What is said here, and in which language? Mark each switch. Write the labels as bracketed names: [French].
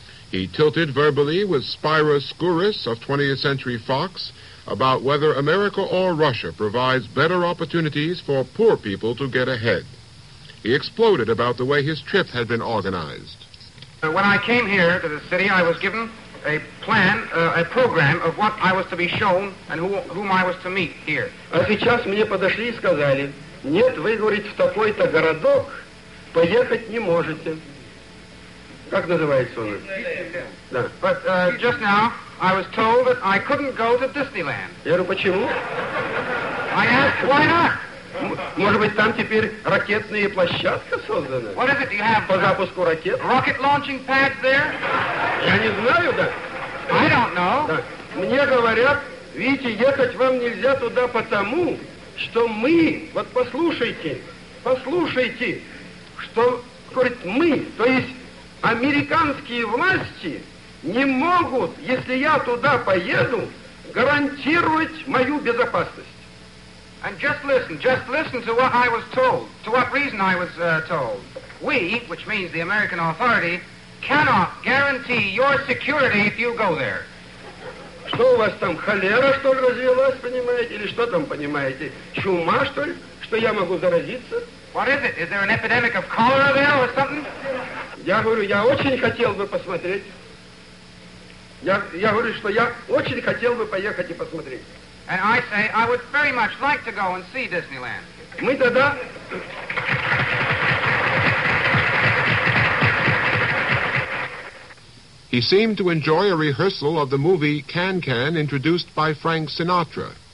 [English] He tilted verbally with Spira Skouras of 20th Century Fox about whether America or Russia provides better opportunities for poor people to get ahead. He exploded about the way his trip had been organized. When I came here to the city, I was given a plan, a program of what I was to be shown and whom I was to meet here. [Russian] А сейчас мне подошли и сказали: нет, вы, говорит, в такой-то городок поехать не можете. Как называется он? Да. [English] But just now I was told that I couldn't go to Disneyland. [Russian] Я говорю, почему? [English] I asked, why not? [Russian] Может быть, там теперь ракетные площадки созданы? [English] What is it you have? [Russian] По запуску ракет? [English] Rocket launching pads there? [Russian] Я не знаю, да. [English] I don't know. [Russian] Да. Мне говорят, видите, ехать вам нельзя туда потому, что мы, вот послушайте, послушайте, что, говорит, мы, то есть американские власти не могут, если я туда поеду, гарантировать мою безопасность. [English] And just listen to what I was told, to what reason I was told. We, which means the American authority, cannot guarantee your security if you go there. [Russian] Что у вас там, холера, что ли, развелась, понимаете, или что там, понимаете, чума, что ли, что я могу заразиться? [English] What is it? Is there an epidemic of cholera there or something? [Russian] Я говорю, я очень хотел бы посмотреть. Я говорю, что я очень хотел бы поехать и посмотреть. [English] And I say, I would very much like to go and see Disneyland. [Russian] Мы тогда... [English] He seemed to enjoy a rehearsal of the movie Can-Can introduced by Frank Sinatra.